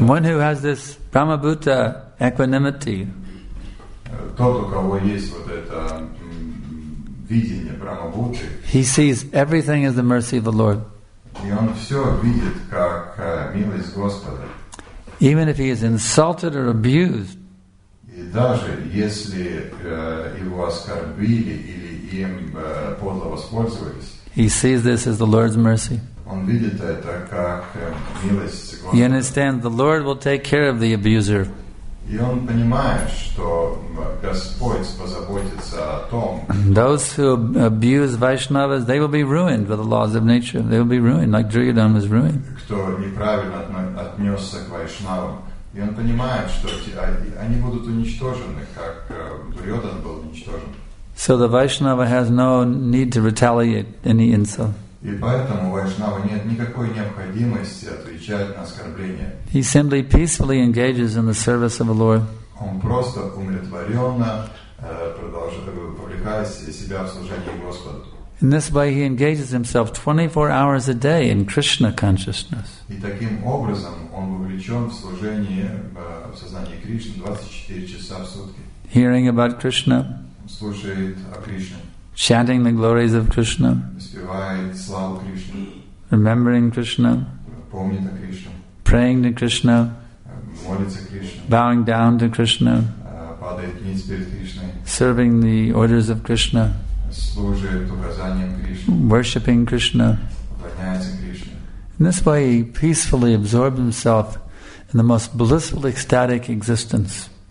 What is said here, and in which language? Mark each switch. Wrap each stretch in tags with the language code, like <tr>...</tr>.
<en>One who has this Brahma-Buddha equanimity.</en> <ru>Тот, у кого есть вот это видение Брахма-Будды.</ru> <en>He sees everything as the mercy of the Lord.</en> <ru>И он все видит как милость Господа.</ru> <en>Even if he is insulted or abused.</en> <ru>И даже если его оскорбили или им подло воспользовались.</ru> <en>He sees this as the Lord's mercy.</en> <ru>Он видит это как милость Господа.</ru> <en>He understands the Lord will take care of the abuser.</en> <ru>И он понимает, что Господь позаботится о том.</ru> <en>Those who abuse Vaishnavas, they will be ruined with the laws of nature. They will be ruined, like Duryodhana was ruined.</en> <ru>Кто неправильно отнесся к Вайшнавам, и он понимает, что они будут уничтожены, как Дурьодан был уничтожен.</ru> <en>So the Vaishnava has no need to retaliate any insult.</en> <ru>И поэтому Вайшнава нет никакой необходимости отвечать на оскорбление.</ru> <en>He simply peacefully engages in the service of the Lord.</en> <ru>Он просто умиротворенно продолжает вовлекать себя в служение Господу.</ru> <en>In this way he engages himself 24 hours a day in Krishna consciousness.</en> <ru>И таким образом он вовлечен в служение в сознании Кришны 24 часа в сутки.</ru> <en>Hearing about Krishna.</en> <ru>Слушает о Кришне.</ru> <en>Chanting the glories of Krishna.</en> <ru>Спевает славу Кришне.</ru> <en>Remembering Krishna.</en> <ru>Помнит о Кришне.</ru> <en>Praying to Krishna.</en> <ru>Молится Кришне.</ru> <en>Bowing down to Krishna.</en> <ru>Падает ниц перед Кришной.</ru> <en>Serving the orders of Krishna.</en> <ru>Служит указаниям Кришны.</ru> <en>Worshipping Krishna.</en> <ru>Поклоняется Кришне.</ru> <en>In this way he peacefully absorbed himself in the most blissful ecstatic existence.</en>